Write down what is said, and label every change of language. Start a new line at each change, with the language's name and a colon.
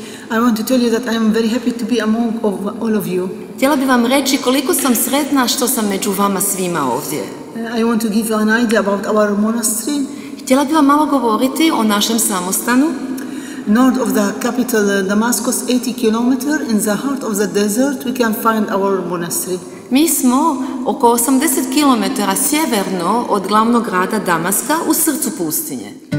English: I want to tell you that I am very happy to be among all of you.
Croatian: Htjela bih vam reći koliko sam sretna što sam među vama svima ovdje.
English: I want to give you an idea about our monastery.
Croatian: Htjela bih vam malo govoriti o našem samostanu.
English: North of the capital Damascus, 80 km in the heart of the desert, we can find our monastery.
Croatian: Mi smo oko 80 km sjeverno od glavnog grada Damaska u srcu pustinje.